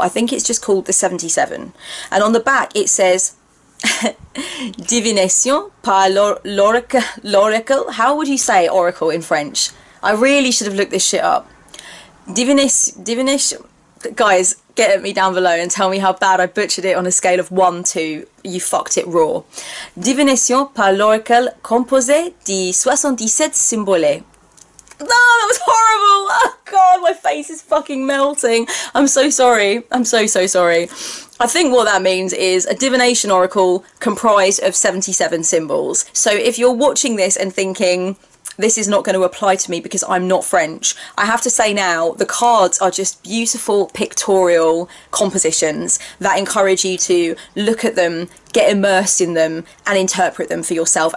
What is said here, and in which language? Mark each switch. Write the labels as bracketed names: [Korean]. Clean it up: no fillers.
[English] I think it's just called the 77. And on the back it says [French] Divination par l'oracle. [English] How would you say oracle in French? I really should have looked this shit up. Divination. Guys, get at me down below and tell me how bad I butchered it on a scale of 1 to you fucked it raw. [French] Divination par l'oracle composé de 77 symboles. [English] No, that was horrible. Oh God, my face is fucking melting. I'm so sorry. I'm so sorry. I think what that means is a divination oracle comprised of 77 symbols. So if you're watching this and thinking, this is not going to apply to me because I'm not French. I have to say now, the cards are just beautiful pictorial compositions that encourage you to look at them, get immersed in them and interpret them for yourself.